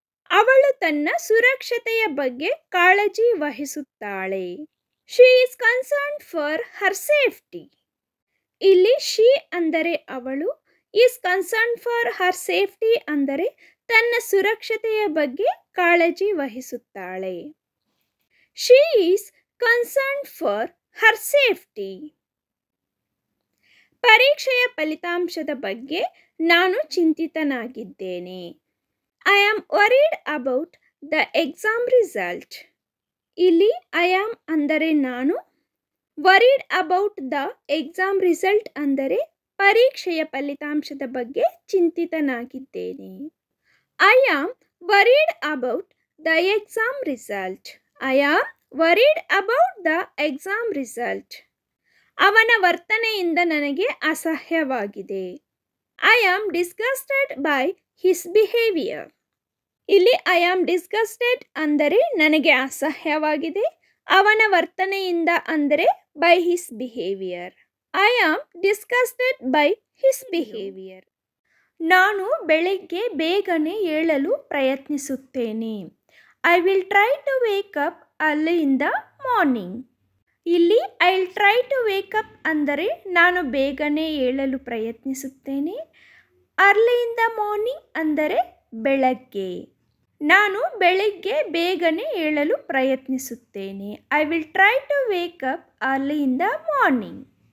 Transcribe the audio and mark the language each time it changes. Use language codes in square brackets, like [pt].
[kn] ಅವಳು ತನ್ನ ಸುರಕ್ಷತೆಯ ಬಗ್ಗೆ ಕಾಳಜಿ ವಹಿಸುತ್ತಾಳೆ. [en] She is concerned for her safety. [kn] ಇಲ್ಲಿ ಶಿ ಅಂದರೆ ಅವಳು, [en] is concerned for her safety [kn] ಅಂದರೆ ತನ್ನ ಸುರಕ್ಷತೆಯ ಬಗ್ಗೆ ಕಾಳಜಿ ವಹಿಸುತ್ತಾಳೆ. [en] She is concerned for her safety. [kn] ಪರೀಕ್ಷೆಯ ಫಲಿತಾಂಶದ ಬಗ್ಗೆ ನಾನು ಚಿಂತಿತನಾಗಿದ್ದೇನೆ. [en] I am worried about the exam result. [kn] ಇಲ್ಲಿ [en] I am [kn] ಅಂದರೆ ನಾನು, [en] worried about the exam result ಅಂದರೆ [kn] ಪರೀಕ್ಷೆಯ ಫಲಿತಾಂಶದ ಬಗ್ಗೆ ಚಿಂತಿತನಾಗಿದ್ದೇನೆ. [en] I am worried about the exam result. I am worried about the exam result. [kn] ಅವನ ವರ್ತನೆಯಿಂದ ನನಗೆ ಅಸಹ್ಯವಾಗಿದೆ. [en] I am disgusted by his behavior. [kn] ಇಲ್ಲಿ [en] I am disgusted [kn] ಅಂದರೆ ನನಗೆ ಅಸಹ್ಯವಾಗಿದೆ, ಅವನ ವರ್ತನೆಯಿಂದ ಅಂದರೆ [en] by his behavior. I am disgusted by his behavior. [kn] ನಾನು ಬೆಳಿಗ್ಗೆ ಬೇಗನೆ ಏಳಲು ಪ್ರಯತ್ನಿಸುತ್ತೇನೆ. [en] I will try to wake up early in the morning. [kn] ಇಲ್ಲಿ [en] I will try to wake up [kn] ಅಂದರೆ ನಾನು ಬೇಗನೆ ಏಳಲು ಪ್ರಯತ್ನಿಸುತ್ತೇನೆ. [en] early in the morning ಅಂದರೆ [kn] ಬೆಳಗ್ಗೆ. ನಾನು ಬೆಳಗ್ಗೆ ಬೇಗನೆ ಏಳಲು ಪ್ರಯತ್ನಿಸುತ್ತೇನೆ. [en] I will try to wake up early in the morning.